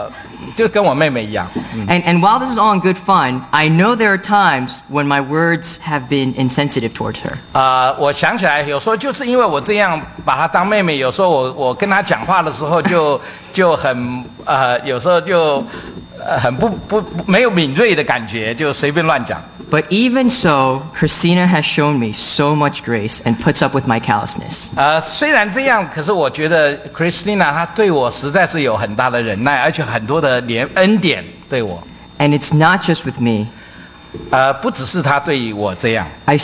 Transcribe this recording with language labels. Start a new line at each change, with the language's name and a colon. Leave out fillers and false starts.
Chinese: 我常常有时候就开她玩笑，那么也讲跟她讲话也乱讲，这样有时候就好像就跟我妹妹一样。
English: And while this is all in good fun, I know there are times when my words have been insensitive towards her.
Chinese: 我想起来，有时候就是因为我这样把她当妹妹，有时候我跟她讲话的时候就很有时候就。很不没有敏锐的感觉，就随便乱讲。
English: But even so, Christina has shown me so much grace and puts up with my callousness.
Chinese: 虽然这样，可是我觉得 Christina 她对我实在是有很大的忍耐，而且很多的恩典对我。
English: And it's not just with me.
Chinese: 不只是她对我这样。
English: I've